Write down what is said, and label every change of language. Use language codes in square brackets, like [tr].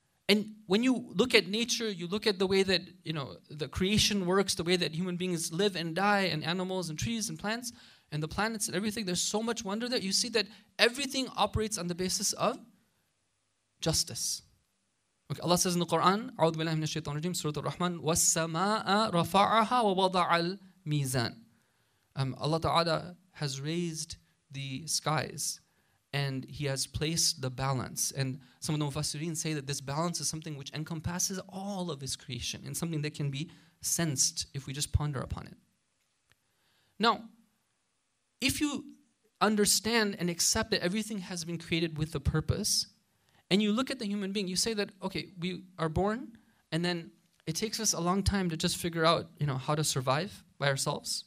[en] And when you look at nature, you look at the way that, you know, the creation works, the way that human beings live and die, and animals and trees and plants and the planets and everything, there's so much wonder there. You see that everything operates on the basis of justice. Okay, Allah says in the Quran, [ar] أعوذ بالله من الشيطان الرجيم, Surah Al-Rahman, وَالسَّمَاءَ رَفَعَهَا وَوَضَعَ الْمِيزَانَ. [en] Allah Ta'ala has raised the skies and He has placed the balance. And some of the Mufassirin say that this balance is something which encompasses all of His creation and something that can be sensed if we just ponder upon it. Now, if you understand and accept that everything has been created with a purpose, and you look at the human being, you say that, okay, we are born, and then it takes us a long time to just figure out, you know, how to survive by ourselves.